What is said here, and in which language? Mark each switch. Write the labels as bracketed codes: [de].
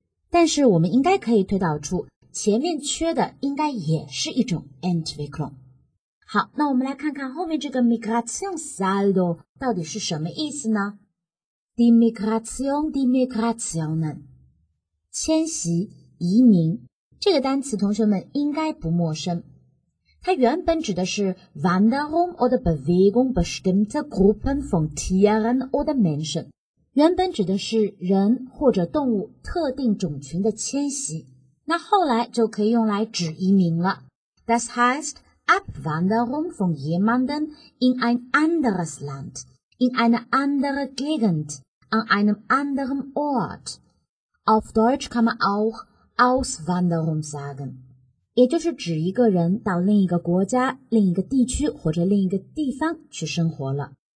[zh] 但是我们应该可以推导出前面缺的应该也是一种 Entwicklung。好，那我们来看看后面这个 Migrationssaldo 到底是什么意思呢？ [de] Die Migrationen。 [zh] 迁徙、移民，这个单词同学们应该不陌生。它原本指的是 [de] Wanderung oder Bewegung bestimmter Gruppen von Tieren oder Menschen。 [zh] 原本指的是人或者动物特定种群的迁徙，那后来就可以用来指移民了。 [de] Das heißt, Abwanderung von jemandem in ein anderes Land, in eine andere Gegend, an einem anderen Ort. Auf Deutsch kann man auch Auswanderung sagen. [zh] 也就是指一个人到另一个国家、另一个地区或者另一个地方去生活了。